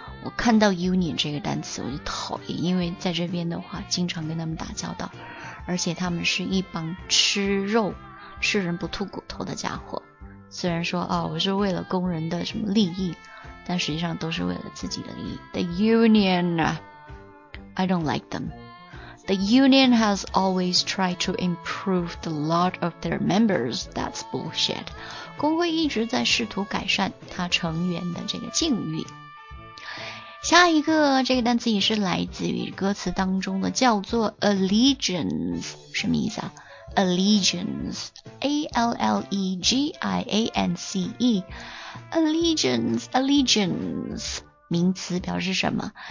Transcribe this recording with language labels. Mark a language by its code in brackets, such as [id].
[zh] 我看到 union 这个单词我就讨厌，因为在这边的话经常跟他们打交道，而且他们是一帮吃肉吃人不吐骨头的家伙，虽然说啊、哦、我是为了工人的什么利益，但实际上都是为了自己的利益。 [en] The union I don't like themThe union has always tried to improve the lot of their members. That's bullshit. [zh] 工会一直在试图改善他成员的这个境遇。下一个这个单词也是来自于歌词当中的，叫做 allegiance， 什么意思啊？ Allegiance， A-L-L-E-G-I-A-N-C-E， Allegiance， Allegiance， 名词表示什么？